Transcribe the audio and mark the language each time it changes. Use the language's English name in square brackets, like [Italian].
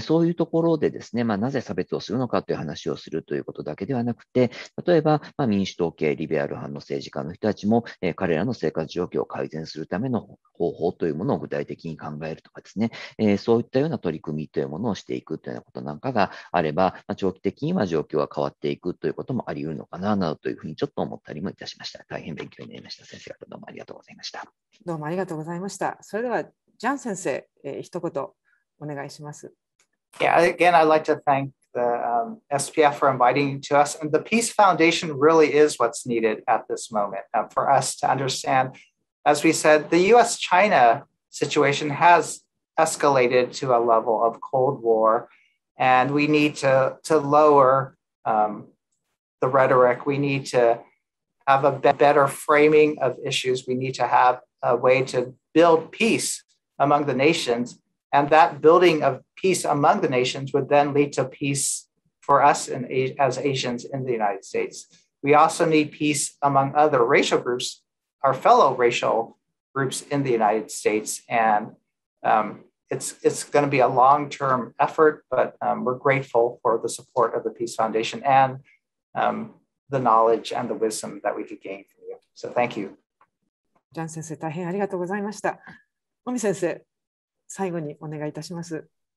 [Japanese] そういうところでですね、まあ、なぜ差別をするのかという話をするということだけではなくて、例えば、まあ、民主党系リベラル派の政治家の人たちも、彼らの生活状況を改善するための方法というものを具体的に考えるとかですね、そういったような取り組みというものをしていくというようなことなんかがあれば、まあ、長期的には状況が変わっていくということもあり得るのかななどというふうにちょっと思ったりもいたしました。大変勉強になりました。先生方どうもありがとうございました。どうもありがとうございました。それではジャン先生、一言お願いします。 [English] Yeah, again, I'd like to thank the SPF for inviting to us. And the Peace Foundation really is what's needed at this moment for us to understand. As we said, the U.S.-China situation has escalated to a level of Cold War, and we need to lower the rhetoric. We need to have a better framing of issues. We need to have a way to build peace among the nations, and that building of peace among the nations would then lead to peace for us in, as Asians in the United States. We also need peace among other racial groups, our fellow racial groups in the United States, and it's going to be a long-term effort, but we're grateful for the support of the Peace Foundation and the knowledge and the wisdom that we could gain from you. So thank you. [Japanese] ジャン先生、大変ありがとうございました。モミ先生、最後にお願いいたします。